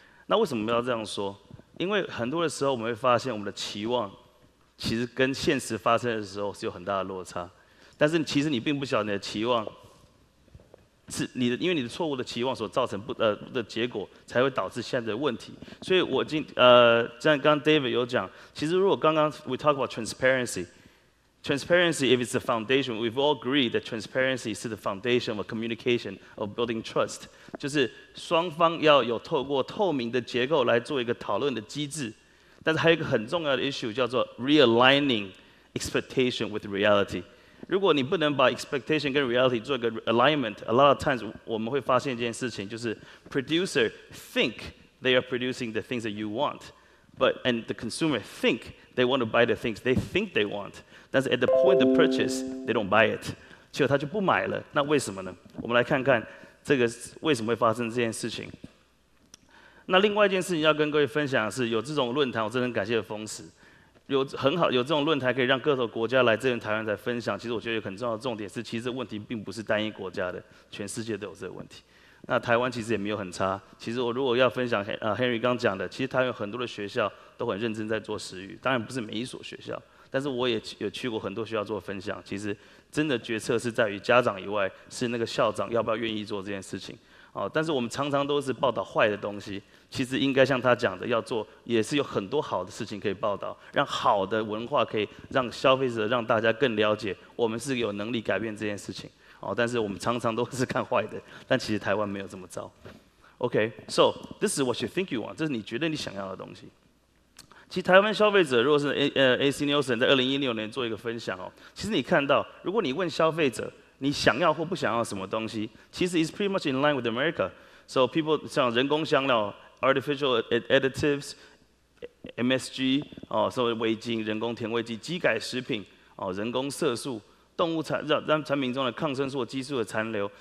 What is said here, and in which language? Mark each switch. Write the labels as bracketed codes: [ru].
[zh] 那为什么要这样说？因为很多的时候，我们会发现我们的期望其实跟现实发生的时候是有很大的落差。但是其实你并不晓得你的期望是你的，因为你的错误的期望所造成的结果，才会导致现在的问题。所以我今像刚刚 David 有讲，其实如果刚刚 [en] we talk about transparency if it's the foundation, we've all agreed that transparency is the foundation of communication of building trust. [zh] 就是双方要有透过透明的结构来做一个讨论的机制。但是还有一个很重要的 issue 叫做 [en] realigning expectation with reality。 [zh] 如果你不能把 [en] expectation 跟 reality [zh] 做一个 [en] alignment, a lot of times [zh] 我们会发现一件事情，就是 [en] producer think they are producing the things that you want, but and the consumer think they want to buy the things they think they want, [zh] 但是 [en] at the point of purchase, they don't buy it, [zh] 结果他就不买了。那为什么呢？我们来看看这个为什么会发生这件事情。那另外一件事情要跟各位分享的是，有这种论坛，我真的很感谢风驰。有很好，有这种论坛可以让各个国家来这边台湾来分享。其实我觉得有很重要的重点是，其实这问题并不是单一国家的，全世界都有这个问题。那台湾其实也没有很差。其实我如果要分享，Henry 刚讲的，其实台湾有很多的学校都很认真在做食育，当然不是每一所学校，但是我也有去过很多学校做分享。其实真的决策是在于家长以外，是那个校长要不要愿意做这件事情。哦，但是我们常常都是报道坏的东西。其实应该像他讲的，要做也是有很多好的事情可以报道，让好的文化可以让消费者让大家更了解我们是有能力改变这件事情。哦，但是我们常常都是看坏的，但其实台湾没有这么糟。 [en] Okay, so this is what you think you want. [zh] 这是你觉得你想要的东西。其实台湾消费者，如果是AC Nielsen 在2016年做一个分享哦，其实你看到，如果你问消费者你想要或不想要什么东西，其实 [en] is pretty much in line with America. So people [zh] 像人工香料。 [en] Artificial additives, [zh] MSG, 哦，所谓味精、人工甜味剂、机改食品，哦，人工色素、动物产品中的抗生素、激素的残留。